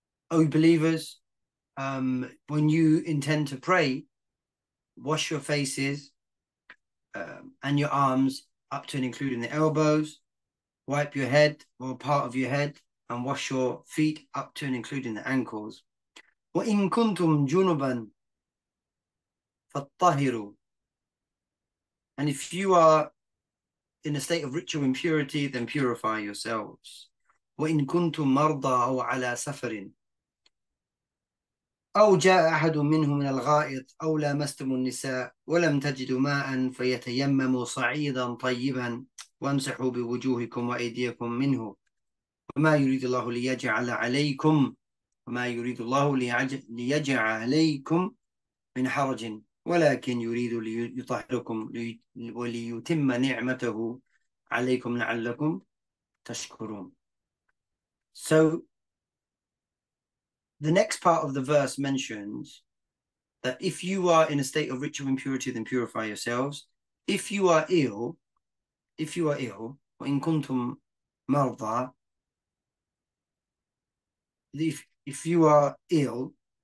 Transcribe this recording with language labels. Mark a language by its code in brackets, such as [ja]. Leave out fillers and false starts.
[en] O believers, when you intend to pray, wash your faces and your arms up to and including the elbows, wipe your head or part of your head, and wash your feet up to and including the ankles. [ar] وَإِن كُنْتُمْ جُنُبًا فَاتَّهِرُوا. [en] And if you are in a state of ritual impurity, then purify yourselves. [ar] وَإِن كُنْتُمْ مَرْضَى أَوْ عَلَى سَفَرٍ أو جاء أحد منهم من الغائط أو لامستموا النساء ولم تجدوا ماء فيتيمموا صعيدا طيبا وامسحوا بوجوهكم وأيديكم منه وما يريد الله ليجعل عليكم وما يريد الله ليجعل عليكم من حرج ولكن يريد ليطهركم وليتم نعمته عليكم لعلكم تشكرون. [en] So the next part of the verse mentions that if you are in a state of ritual impurity, then purify yourselves. If you are ill, if you are ill, [ar] وإن كنتم مرضى, [en] if you are ill,